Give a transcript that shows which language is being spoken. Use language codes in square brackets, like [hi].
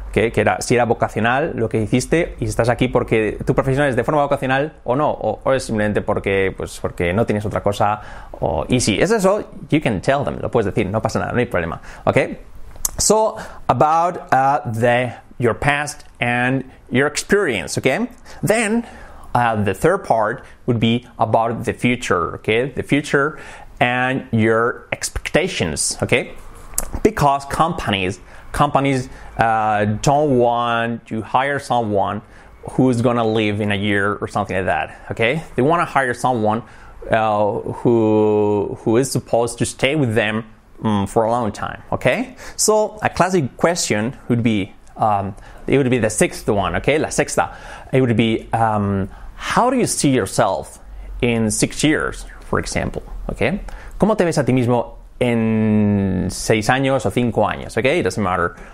[es] Okay, que era, si era vocacional lo que hiciste y estás aquí porque tu profesión es de forma vocacional o no, o es simplemente porque, pues, porque no tienes otra cosa. O, y si es eso, [en] you can tell them, [es] lo puedes decir, no pasa nada, no hay problema, okay? [en] So, about your past and your experience, okay? Then, the third part would be about the future, okay? The future and your expectations, okay? Because companies don't want to hire someone who's gonna leave in a year or something like that, okay? They wanna hire someone who is supposed to stay with them for a long time, okay? So, a classic question would be, it would be the sixth one, okay? [es] La sexta. [en] It would be, how do you see yourself in 6 years, for example, okay? [es] ¿Cómo te ves a ti mismo en 6 años o 5 años, okay? [en] It doesn't matter.